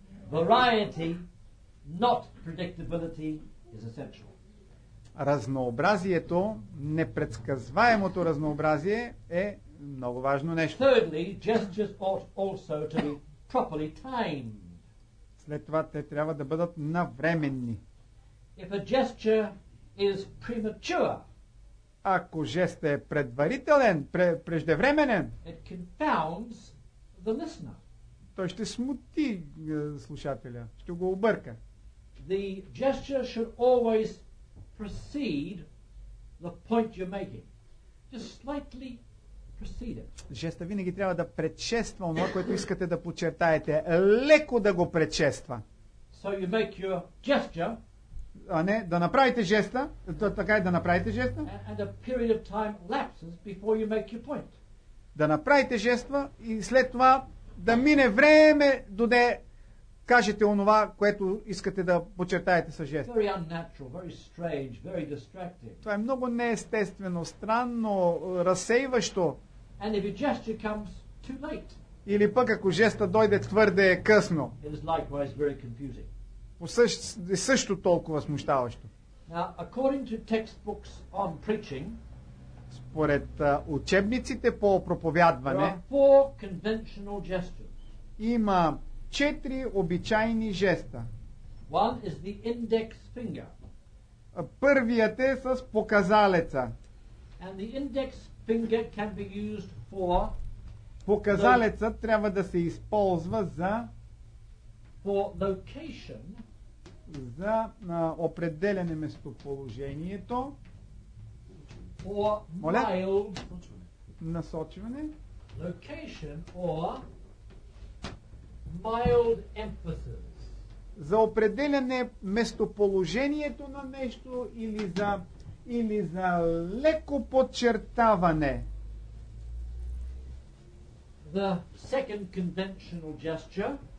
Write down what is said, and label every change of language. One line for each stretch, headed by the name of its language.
English: Variety, not predictability, is essential.
Bulgarian: Разнообразието, непредсказваемото разнообразие е много важно нещо.
English: Thirdly, gestures ought also to be properly timed.
Bulgarian: След това те трябва да бъдат навременни.
English: If a gesture is premature,
Bulgarian: ако жестът е предварителен, преждевременен,
English: it confounds the listener.
Bulgarian: Той ще смути слушателя, ще го обърка.
English: The gesture should always precede the point you're making. Just slightly.
Bulgarian: Жестът винаги трябва да предшества онова, което искате да подчертаете. Леко да го предшества.
English: So you make your gesture,
Bulgarian: а не, да направите жеста. Така е, да направите жеста.
English: And a period of time lapses before you make your point.
Bulgarian: Да направите жеста и след това да мине време доде кажете онова, което искате да подчертаете с жест.
English: Very unnatural, very strange, very distracting.
Bulgarian: Това е много неестествено, странно, разсейващо.
English: And if your gesture comes too late.
Bulgarian: Или пък ако жестът дойде твърде късно.
English: It is likewise very confusing.
Bulgarian: Е също толкова смущаващо.
English: Now, according to textbooks on preaching,
Bulgarian: според учебниците по проповядване,
English: there are four conventional gestures.
Bulgarian: Има четири обичайни жеста.
English: One is the index finger.
Bulgarian: Първият е с показалеца.
English: And the index finger can be used for
Bulgarian: показалеца the... трябва да се използва за
English: for location,
Bulgarian: за определяне местоположението,
English: for mild
Bulgarian: насочване,
English: location or mild emphasis.
Bulgarian: За определяне местоположението на нещо или за или за леко подчертаване.
English: The second conventional gesture.